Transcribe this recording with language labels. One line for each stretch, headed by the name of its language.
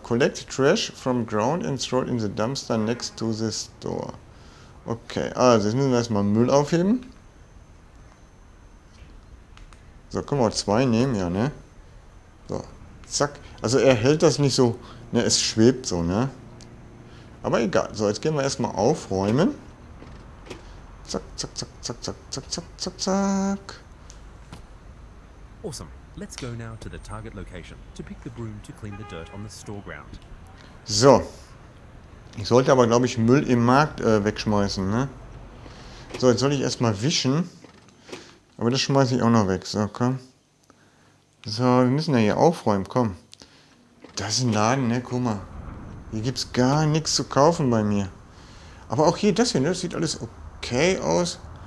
English: Collect trash from ground and throw in the dumpster next to the store.
German: Okay, also jetzt müssen wir erstmal Müll aufheben. So, können wir auch zwei nehmen, ja, ne? So, zack. Also er hält das nicht so, ne, es schwebt so, ne? Aber egal. So, jetzt gehen wir erstmal aufräumen. Zack, zack, zack, zack, zack, zack, zack, zack, zack.
English: Awesome. Let's go now to the target location to pick the broom to clean the dirt on the store ground.
German: So. Ich sollte aber, glaube ich, Müll im Markt wegschmeißen, ne? So, jetzt soll ich erstmal wischen. Aber das schmeiße ich auch noch weg. So, komm. So, wir müssen ja hier aufräumen. Komm. Das ist ein Laden, ne? Guck mal. Hier gibt es gar nichts zu kaufen bei mir. Aber auch hier, das hier, ne? Das sieht alles okay aus.